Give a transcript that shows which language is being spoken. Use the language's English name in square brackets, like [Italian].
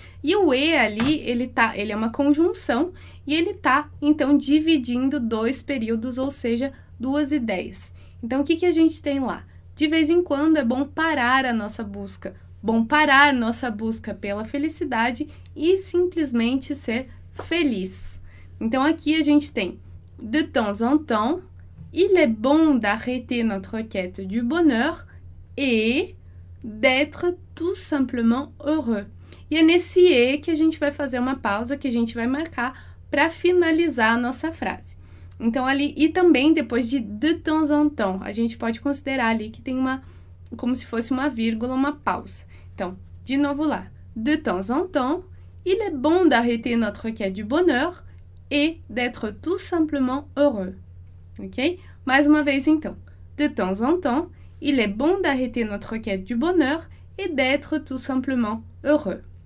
[Portuguese] E o E ali, ele é uma conjunção e ele está, então, dividindo dois períodos, ou seja, duas ideias. Então, o que a gente tem lá? De vez em quando é bom parar a nossa busca. Bom parar nossa busca pela felicidade e simplesmente ser feliz. Então, aqui a gente tem [French] de temps en temps, il est bon d'arrêter notre quête du bonheur et d'être tout simplement heureux. [Portuguese] E é nesse E que a gente vai fazer uma pausa, que a gente vai marcar para finalizar a nossa frase. Então, ali, e também depois de temps en temps, a gente pode considerar ali que tem uma, como se fosse uma vírgula, uma pausa. Então, de novo lá. [French] De temps en temps, il est bon d'arrêter notre quête du bonheur et d'être tout simplement heureux. [Portuguese] Ok? Mais uma vez, então. [French] De temps en temps, il est bon d'arrêter notre quête du bonheur et d'être tout simplement heureux.